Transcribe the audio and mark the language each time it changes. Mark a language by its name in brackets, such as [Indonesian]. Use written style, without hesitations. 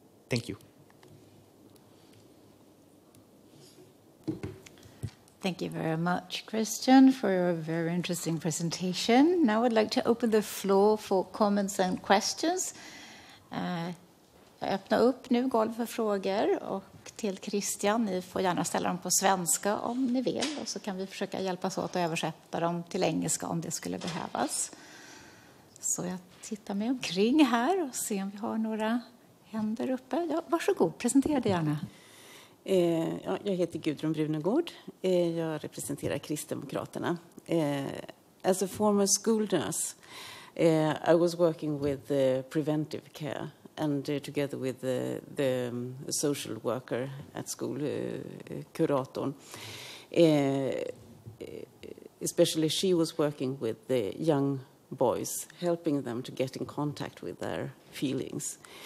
[English] Thank you. Thank you very much, Christian, for your very interesting presentation. Now I'd like to open the floor for comments and questions. [Swedish] Jag öppnar upp nu golvet för frågor och till Christian. Ni får gärna ställa dem på svenska om ni vill, och så kan vi försöka hjälpas åt att översätta dem till engelska om det skulle behövas. Så jag tittar mig omkring här och ser om vi har några händer uppe. Ja, varsågod, presentera dig gärna. Jag heter Gudrun Brunegård. Jag representerar Kristdemokraterna. [English] As a former school nurse, I was working with preventive care. and together with the social worker at school, kuratorn. Especially she was working with the young boys, helping them to get in contact with their feelings.